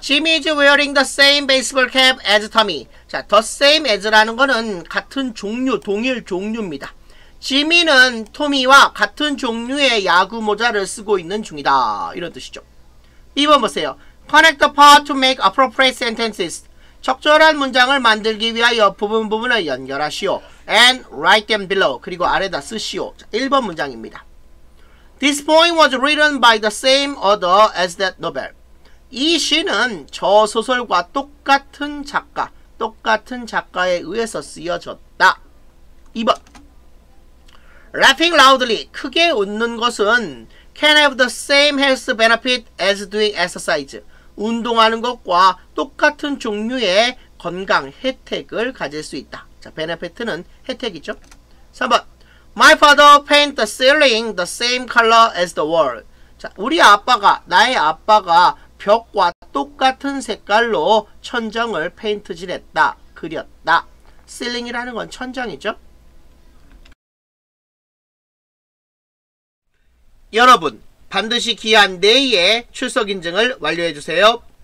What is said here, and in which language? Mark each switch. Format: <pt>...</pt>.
<en>Jimmy is wearing the same baseball cap as Tommy.</en> <ko>자, the same as라는 거는 같은 종류, 동일 종류입니다. 지미는 토미와 같은 종류의 야구 모자를 쓰고 있는 중이다. 이런 뜻이죠. 2번 보세요.</ko> <en>Connect the part to make appropriate sentences.</en> <ko>적절한 문장을 만들기 위하여 부분 부분을 연결하시오.</ko> <en>and write them below.</en> <ko>그리고 아래다 쓰시오. 자, 1번 문장입니다.</ko> <en>This poem was written by the same author as that novel.</en> <ko>이 시는 저 소설과 똑같은 작가에 의해서 쓰여졌다.</ko> <en>2번. Laughing loudly,</en> <ko>크게 웃는 것은</ko> <en>can have the same health benefit as doing exercise.</en> <ko>운동하는 것과 똑같은 종류의 건강 혜택을 가질 수 있다. 자, benefit는 혜택이죠. 3번.</ko> <en>My father paint the ceiling the same color as the wall.</en> <ko>자, 나의 아빠가 벽과 똑같은 색깔로 천장을 페인트 진했다. 그렸다. ceiling이라는 건 천장이죠. 여러분, 반드시 기한 내에 출석 인증을 완료해 주세요.</ko>